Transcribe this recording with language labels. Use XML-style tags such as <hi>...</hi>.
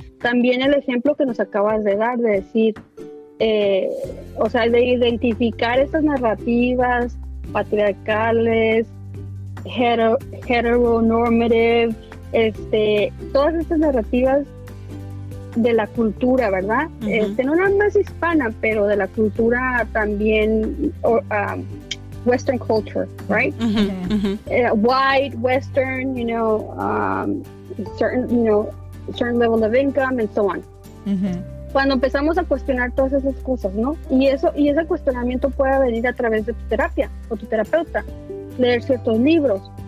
<es>También el ejemplo que nos acabas de dar, de decir, o sea, de identificar estas narrativas patriarcales, heteronormative, todas estas narrativas de la cultura, ¿verdad? Uh-huh. No nada más hispana, pero de la cultura también,</es> <en>western culture, right? Uh-huh. Uh-huh. White, western, you know, certain, you know, certain level of income and so on. Uh-huh.</en> <es>Cuando empezamos a cuestionar todas esas cosas, ¿no? Y ese cuestionamiento puede venir a través de tu terapia o tu terapeuta, leer ciertos libros,</es>